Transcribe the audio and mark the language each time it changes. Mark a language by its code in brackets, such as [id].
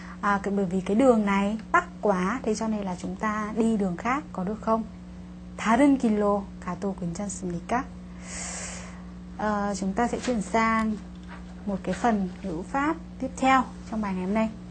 [vi] À, bởi vì cái đường này tắc quá, thế cho nên là chúng ta đi đường khác có được không? [ko] 다른 길로 가도 괜찮습니까? [vi] Chúng ta sẽ chuyển sang một cái phần ngữ pháp tiếp theo trong bài ngày hôm nay.